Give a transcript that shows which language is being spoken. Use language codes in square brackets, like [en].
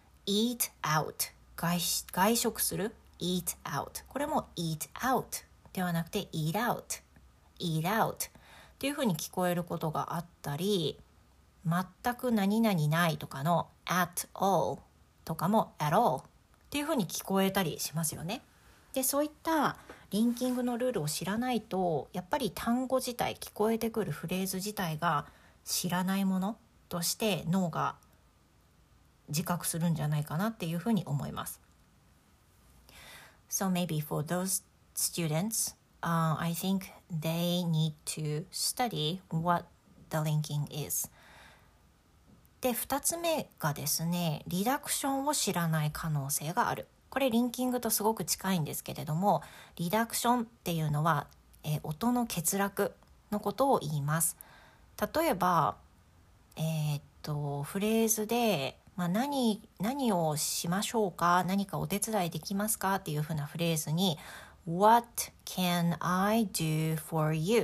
[ja] Eat out 外食する Eat out これも Eat out ではなくて Eat out Eat out っていうふうに聞こえることがあったり、全く何々ないとかの At all とかも At all っていうふうに聞こえたりしますよね。で、そういったリンキングのルールを知らないとやっぱり単語自体、聞こえてくるフレーズ自体が知らないものとして脳が自覚するんじゃないかなっていうふうに思います。 [en] So maybe for those students, I think they need to study what the linking is. [ja] で、二つ目がですね、リダクションを知らない可能性がある。これリンキングとすごく近いんですけれども、リダクションっていうのは、音の欠落のことを言います。例えば、フレーズでまあ、何をしましょうか、何かお手伝いできますかっていうふうなフレーズに [en] What can I do for you?